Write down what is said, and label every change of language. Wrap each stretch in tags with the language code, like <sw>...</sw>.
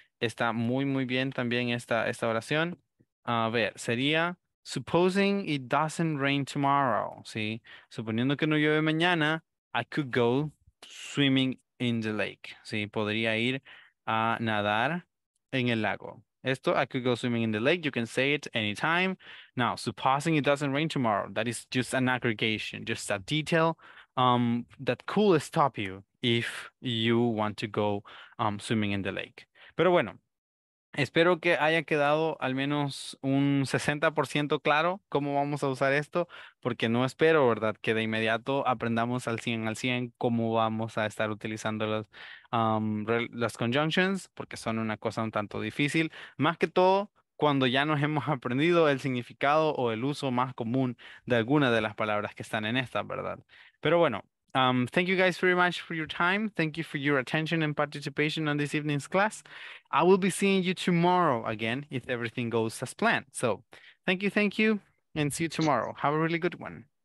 <es>Está muy, muy bien también esta oración. A ver, sería,</es> <en>supposing it doesn't rain tomorrow,</en> <es>sí. Suponiendo que no llueve mañana,</es> <en>I could go swimming in the lake.</en> <es>Sí, podría ir a nadar en el lago.</es> <en>Esto, I could go swimming in the lake. You can say it anytime. Now, supposing it doesn't rain tomorrow, that is just an aggregation, just a detail that could stop you if you want to go swimming in the lake.</en> <es>Pero bueno, espero que haya quedado al menos un 60% claro cómo vamos a usar esto, porque no espero, ¿verdad?, que de inmediato aprendamos al 100 cómo vamos a estar utilizando las conjunctions, porque son una cosa un tanto difícil. Más que todo, cuando ya nos hemos aprendido el significado o el uso más común de alguna de las palabras que están en esta, ¿verdad? Pero bueno,</es> <en>thank you guys very much for your time. Thank you for your attention and participation on this evening's class. I will be seeing you tomorrow again if everything goes as planned. So thank you, and see you tomorrow. Have a really good one.</en>